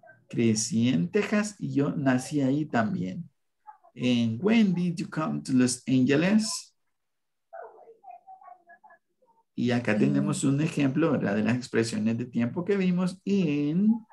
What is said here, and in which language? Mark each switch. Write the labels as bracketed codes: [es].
[es] Crecí en Texas y yo nací ahí también. [en] And when did you come to Los Angeles? [es] Y acá tenemos un ejemplo, ¿verdad? De las expresiones de tiempo que vimos en...